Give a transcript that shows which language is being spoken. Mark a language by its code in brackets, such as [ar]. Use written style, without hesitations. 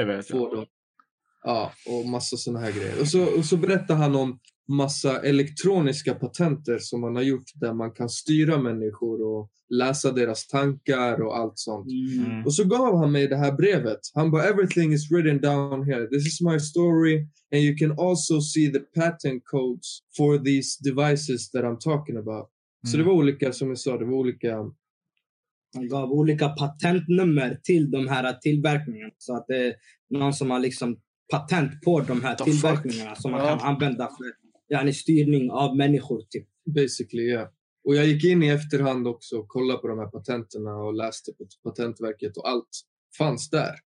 [sv] få dem. Ja, och massa såna här grejer. Och så berättar han om massa elektroniska patenter som man har gjort där man kan styra människor och läsa deras tankar och allt sånt. Mm. Och så gav han mig det här brevet. Han bara, [en] everything is written down here. This is my story, and you can also see the patent codes for these devices that I'm talking about. [sv] Mm. Så det var olika, som jag sa, det var olika. Han gav olika patentnummer till de här tillverkningarna, så att det är någon som har liksom patent på de här tillverkningarna som man kan använda för en styrning av människor. Typ. [en] Basically, ja. Yeah. [sv] Och jag gick in i efterhand också och kollade på de här patenterna och läste på patentverket, och allt fanns där.